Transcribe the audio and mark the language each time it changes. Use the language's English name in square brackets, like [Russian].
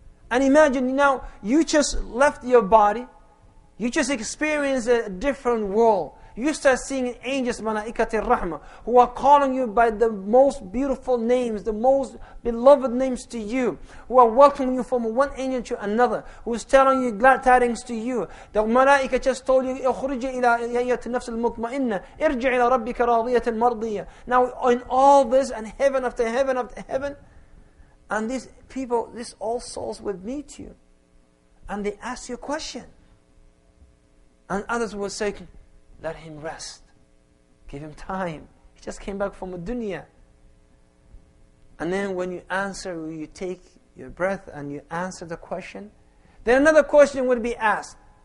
[English] And imagine now, you just left your body. You just experienced a different world. You start seeing angels, malaikat al-rahma, who are calling you by the most beautiful names, the most beloved names to you, who are welcoming you from one angel to another, who is telling you glad tidings to you. [Arabic] The malaika just told you, اخرج إلى أيات النفس المطمئنة ارجع إلى ربك راضية مرضية. [English] Now in all this, and heaven after heaven after heaven, and these people, these all souls will meet you. And they ask you a question. And others will say, let him rest. Give him time. He just came back from a dunya. And then when you answer, you take your breath and you answer the question, then another question would be asked.